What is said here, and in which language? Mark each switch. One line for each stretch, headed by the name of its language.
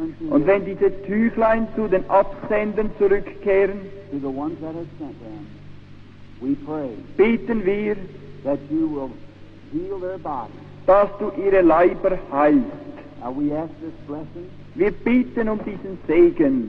German: Und wenn diese Tüchlein zu den Absenden zurückkehren,
English: to the ones that have sent them, we pray,
German: beten wir,
English: that you will heal their body,
German: dass du ihre Leiber heilst.
English: Now we ask this blessing,
German: wir beten um diesen Segen